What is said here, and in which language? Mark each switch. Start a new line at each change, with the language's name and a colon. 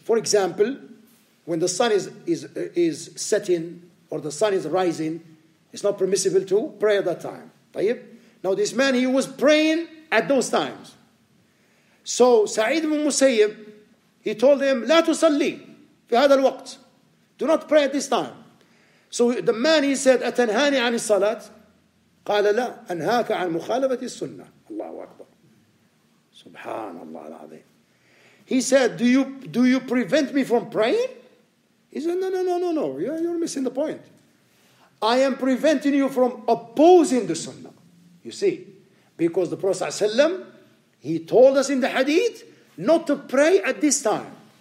English: For example, when the sun is setting or the sun is rising, it's not permissible to pray at that time.
Arabic: طيب?
English: Now this man, he was praying at those times. So Sa'id ibn Musayyib, he told him,
Arabic: لا تصلي في هذا الوقت.
English: Do not pray at this time. So the man, he said,
Arabic: أتنهاني عن الصلاة؟ قال لا أنهاك عن مخالفة السنة. الله أكبر. سبحان الله العظيم.
English: He said, do you prevent me from praying? He said, no. You're missing the point. I am preventing you from opposing the sunnah. You see, because the Prophet ﷺ, he told us in the hadith not to pray at this time.